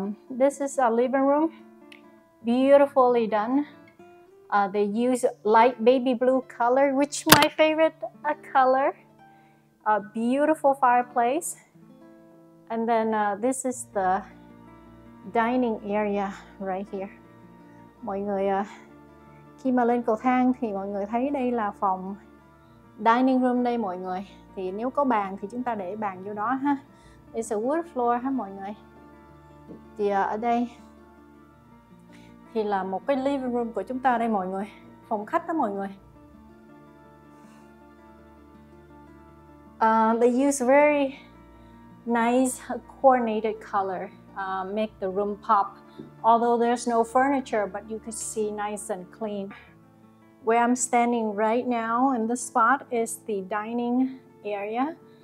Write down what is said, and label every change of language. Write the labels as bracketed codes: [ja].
[en] This is a living room, beautifully done. They use light baby blue color, which my favorite color. A beautiful fireplace. And then this is the dining area right here. [vi] Mọi người khi mà lên cầu thang thì mọi người thấy đây là phòng dining room đây mọi người. Thì nếu có bàn thì chúng ta để bàn vô đó ha. [en] It's a wood floor [vi] ha mọi người. Thì ở đây thì là một cái living room của chúng ta đây mọi người. Phòng khách đó mọi người. [en] They use very nice coordinated color. Make the room pop. although there's no furniture, but you could see nice and clean. Where I'm standing right now in this spot is the dining area.